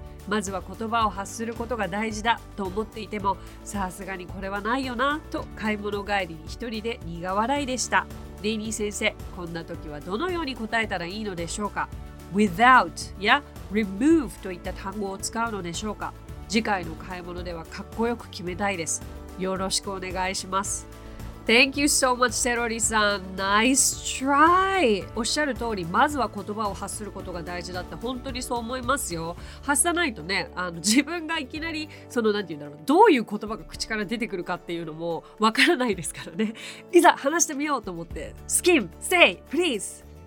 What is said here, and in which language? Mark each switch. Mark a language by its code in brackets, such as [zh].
[ja] まずは言葉を発することが大事だと思っていても、さすがにこれはないよなと買い物帰りに一人で苦笑いでした。レイニー先生、こんな時はどのように答えたらいいのでしょうか。 without や remove といった単語を使うのでしょうか。次回の買い物ではかっこよく決めたいです。よろしくお願いします。 [en] Thank you so much, セロリさん。 Nice try! [ja] おっしゃる通り、まずは言葉を発することが大事だって、本当にそう思いますよ。発さないとね、自分がいきなり、その、なんて言うんだろう、どういう言葉が口から出てくるかっていうのもわからないですからね。いざ話してみようと思って、 [en] skim, say, please!